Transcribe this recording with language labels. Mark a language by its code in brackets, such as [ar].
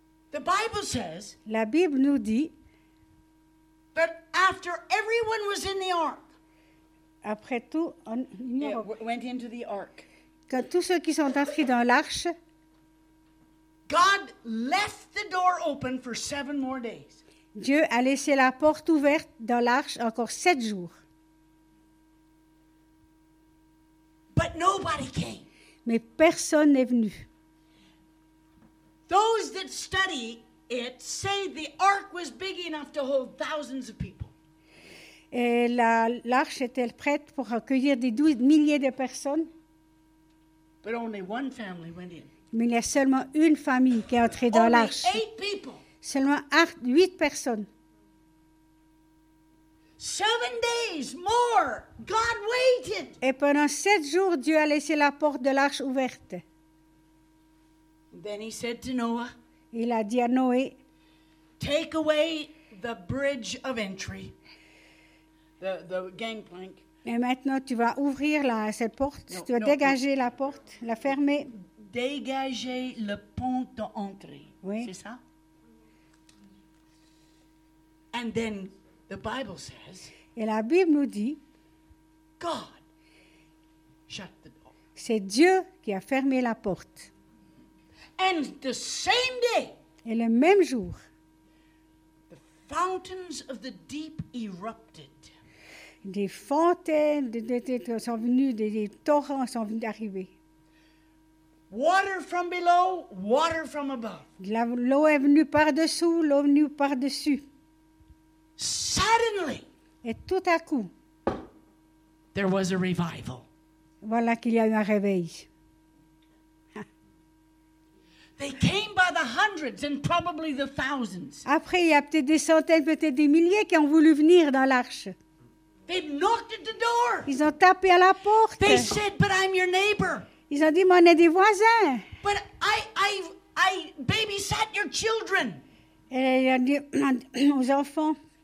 [en] The Bible says, [fr] la Bible nous dit, [en] but after everyone was in the ark, [fr] après tout, [en] went into the ark. [fr] Quand tous ceux qui sont entrés dans l'arche, [en] God left the door open for 7 more days. [fr] Dieu a laissé la porte ouverte dans l'arche encore 7 jours. [en] But nobody came. [fr] Mais personne n'est venu. [en] Those that study it say the ark was big enough to hold thousands of people. [fr] Et l'arche est-elle prête pour accueillir des 12 milliers de personnes? [en] But only one family went in. [fr] Mais il y a seulement une famille qui est entrée dans [en] only [fr] l'arche. [en] Eight people. [fr] Seulement 8 personnes. [en] 7 days more, God waited. [fr] Et pendant 7 jours, Dieu a laissé la porte de l'arche ouverte. [en] Then he said to Noah, [fr] il a dit à Noé, [en] take away the bridge of entry, the gangplank. [fr] Et maintenant, tu vas ouvrir cette porte, no, tu vas no, dégager no. la porte, la fermer. Dégager le pont d'entrée, oui. C'est ça? [en] And then the Bible says, [fr] et la Bible nous dit, [en] God shut the door. [fr] C'est Dieu qui a fermé la porte. [en] And the same day, [fr] et le même jour, [en] the fountains of the deep erupted. [fr] Des fontaines de sont venues, des torrents sont venus d'arriver. [en] Water from below, water from above. [fr] L'eau est venue par-dessous, l'eau est venue par-dessus. [en] Suddenly, [fr] et tout à coup, [en] there was a revival. [fr] Voilà qu'il y a eu un réveil. [en] They came by the hundreds and probably the thousands. [fr] Après, il y a peut-être des centaines, peut-être des milliers qui ont voulu venir dans l'arche. [en] They knocked at the door. [fr] Ils ont tapé à la porte. [en] They said, "But I'm your neighbor." [fr] Ils ont dit, "Mais on est des voisins." [en] But I babysat your children. [fr] Et il a dit aux enfants.